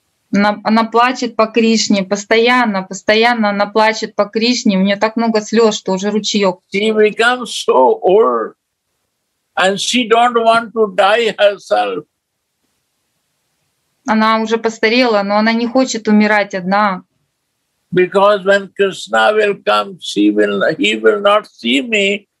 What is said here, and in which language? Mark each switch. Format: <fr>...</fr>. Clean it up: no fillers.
<ru>Она плачет по Кришне постоянно. Она плачет по Кришне. У нее так много слез, что уже ручеек.</ru> <en>She becomes so old, and she don't want to die herself.</en> <ru>Она уже постарела, но она не хочет умирать одна.</ru> <en>Because when Krishna will come, he will not see me.</en>